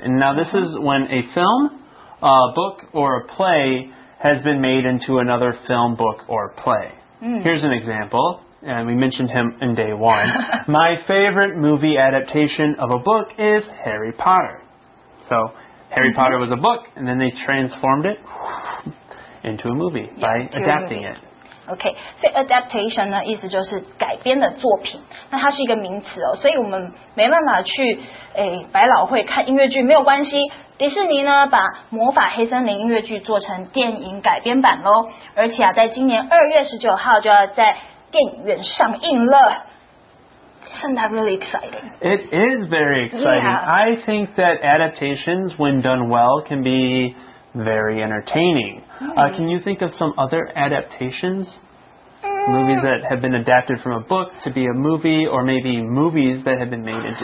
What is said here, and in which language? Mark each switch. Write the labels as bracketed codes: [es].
[en] And now this is when a film, a book, or a play has been made into another film, book, or play. Here's an example, and we mentioned him in day one. My favorite movie adaptation of a book is Harry Potter. So, Harry Potter was a book, and then they transformed it into a movie by adapting it. [zh] OK, 所以 adaptation 呢意思就是改编的作品，那它是一个名词哦，所以我们没办法去百老汇看音乐剧，没有关系，迪士尼呢把魔法黑森林音乐剧做成电影改编版咯，而且啊在今年2月19号就要在电影院上映了。 [en] Isn't that really exciting? It is very exciting. I think that adaptations when done well can bebe very entertaining. Can you think of some other adaptations? movies that have been adapted from a book to be a movie, or maybe movies that have been made into TV